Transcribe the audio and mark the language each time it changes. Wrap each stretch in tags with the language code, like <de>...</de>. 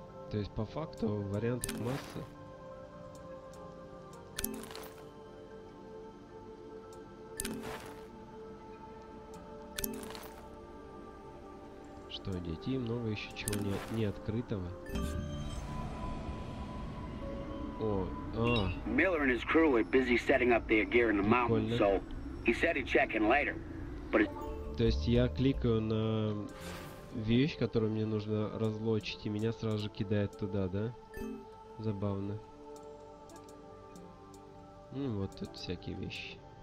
<ru>То есть по факту вариантов масса. Что одеть, и много еще чего не открытого. О, а.</ru> <en>Miller and his crew were busy setting up their gear in the mountain, so he said he'd check in later. But</en> <ru>то есть я кликаю на вещь, которую мне нужно разлочить, и меня сразу же кидает туда, да? Забавно. Ну вот тут всякие вещи.</ru>